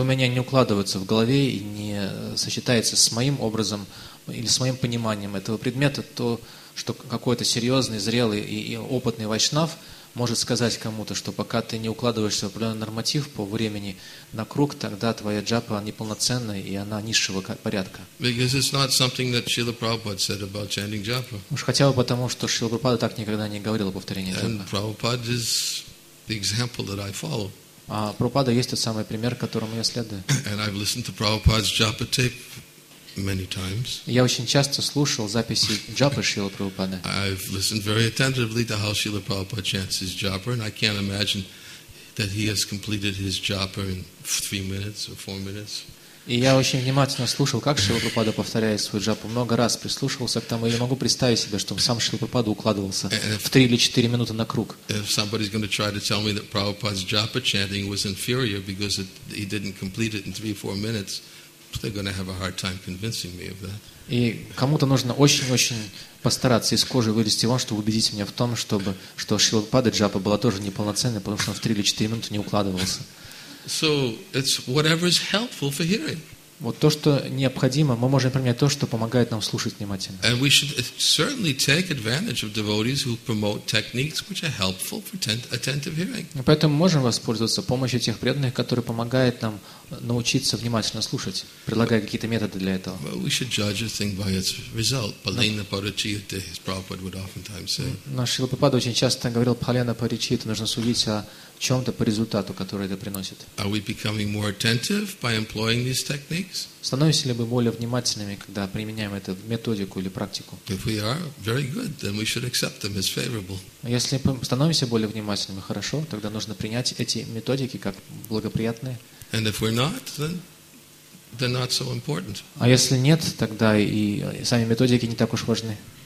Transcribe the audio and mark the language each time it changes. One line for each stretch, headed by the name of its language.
Russian: у меня не укладывается в голове и не сочетается с моим образом или с моим пониманием этого предмета то, что какой-то серьезный, зрелый и опытный вайшнав может сказать кому-то, что пока ты не укладываешься в определенный норматив по времени на круг, тогда твоя джапа неполноценна и она низшего порядка.
English: Because it's not something that Srila Prabhupada said about chanting japa.
Russian: Уж хотя бы потому, что Шрила Прабхупада так никогда не говорил о повторении джапа.
English: And Prabhupada is the example that I follow.
Russian: А Прабхупада есть тот самый пример, которому я следую.
English: And I've listened to Prabhupada's japa tape many times.
Russian: Я очень часто слушал записи джапы Шрилы Прабхупады.
English: I've listened very attentively to how Srila Prabhupada chants his japa, and I can't imagine that he has completed his japa in 3 minutes or 4 minutes.
Russian: И я очень внимательно слушал, как Шрила Прабхупада повторяет свою джапу. Много раз прислушивался к тому, и не могу представить себе, что сам Шрила Прабхупада укладывался в 3 или 4 минуты на круг.
English: If somebody's going to try to tell me that Prabhupada's japa chanting was inferior because he didn't complete it in 3-4 minutes, they're going to have a hard time convincing me of that.
Russian: И кому-то нужно очень-очень постараться из кожи вылезти вон, чтобы убедить меня в том, что Шрила Прабхупада джапа была тоже неполноценной, потому что он в 3 или 4 минуты не укладывался.
English: So it's whatever is helpful for hearing.
Russian: Вот то, что необходимо, мы можем применять то, что помогает нам слушать внимательно.
English: And we should certainly take advantage of devotees who promote techniques which are helpful for attentive hearing.
Russian: Поэтому можем воспользоваться помощью тех преданных, которые помогают нам научиться внимательно слушать, предлагая какие-то методы для этого.
English: But we should judge a thing by its result. Palena Parichita, as Prabhupada would oftentimes say.
Russian: Наш Шрила Прабхупада очень часто говорил, Palena Parichita, нужно судить о чем-то по результату, который это приносит.
English: Are we becoming more attentive by employing these techniques?
Russian: Становимся ли мы более внимательными, когда применяем эту методику или практику?
English: If we are, very good, then we should accept them as favorable.
Russian: Если мы становимся более внимательными, хорошо, тогда нужно принять эти методики как благоприятные.
English: And if we're not, then they're not so important.
Russian: А если нет, тогда и сами методики не так уж важны.